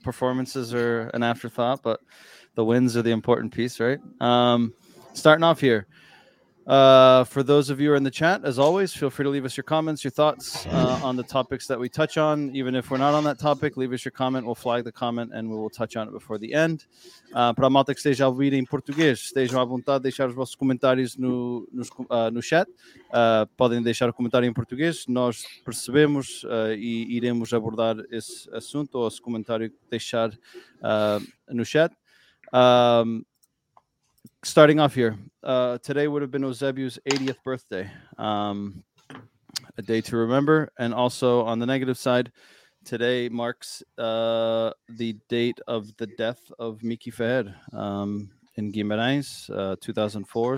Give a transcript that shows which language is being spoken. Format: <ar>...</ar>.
<en>Performances are an afterthought, but the wins are the important piece, right? Starting off here, for those of you who are in the chat, as always, feel free to leave us your comments, your thoughts on the topics that we touch on. Even if we're not on that topic, leave us your comment. We'll flag the comment and we will touch on it before the end.</en> <pt>Para a malta que esteja a ouvir em português, estejam à vontade de deixar os vossos comentários no chat. Podem deixar o comentário em português. Nós percebemos e iremos abordar esse assunto ou esse comentário que deixar no chat.</pt> <en>Starting off here, today would have been Eusebio's 80th birthday, a day to remember. And also on the negative side, today marks the date of the death of Miki Ferrer in Guimarães, 2004.</en>